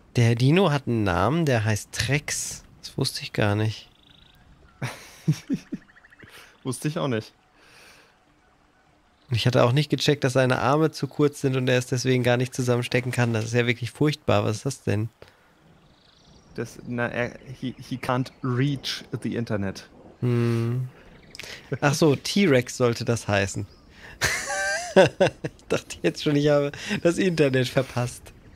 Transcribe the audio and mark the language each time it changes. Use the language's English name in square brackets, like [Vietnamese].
[German] Der Dino hat einen Namen, der heißt Trex. Das wusste ich gar nicht. Wusste ich auch nicht. Und ich hatte auch nicht gecheckt, dass seine Arme zu kurz sind und er es deswegen gar nicht zusammenstecken kann. Das ist ja wirklich furchtbar. Was ist das denn? Das, na, er, [English] he can't reach the Internet. Hm. [German] Ach so, T-Rex sollte das heißen. Ich dachte jetzt schon, ich habe das Internet verpasst.